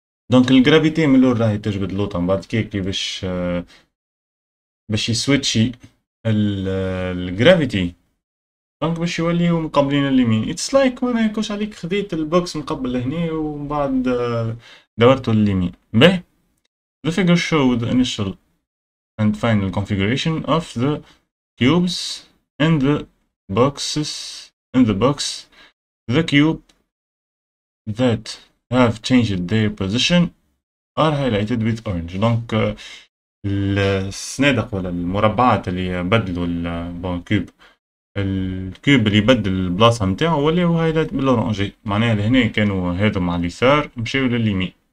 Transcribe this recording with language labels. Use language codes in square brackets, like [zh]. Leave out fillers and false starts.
[ar] دونك الجرافيتي من الاول راهي تجبد لوطا من بعد كيك باش يسويتشي الجرافيتي دونك باش يوليو مقابلين اليمين. [en] it's like [ar] وانا كوش عليك خديت البوكس مقبل لهنا ومن بعد دورتو لليمين. باهي. [en] The figure show the initial and final configuration of the cubes and the boxes in the box. The cube that have changed their position are highlighted with orange. [ar] دونك السنادق ولا المربعات اللي بدلوا البون كيوب الكوب اللي يبدل البلاصه نتاعو ولا هو هايلا بالاورانجي معناها لهنا كانوا هادو مع اليسار مشاو لليمين.